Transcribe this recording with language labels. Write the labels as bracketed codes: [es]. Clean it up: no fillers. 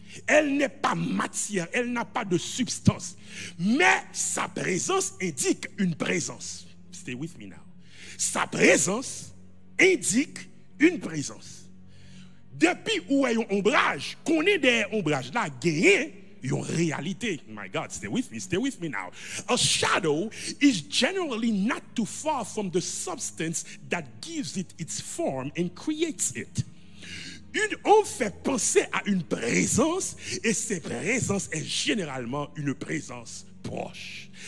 [fr] Elle n'est pas matière, elle n'a pas de substance. Mais sa présence indique une présence. [en] Stay with me now. [fr] Sa présence indique une présence. Depuis où est un ombrage, qu'on est des ombrages là, gagné une réalité. [en] My God, stay with me now. A shadow is generally not too far from the substance that gives it its form and creates it. [fr] Une ombre fait penser à une présence et cette présence est généralement une présence proche.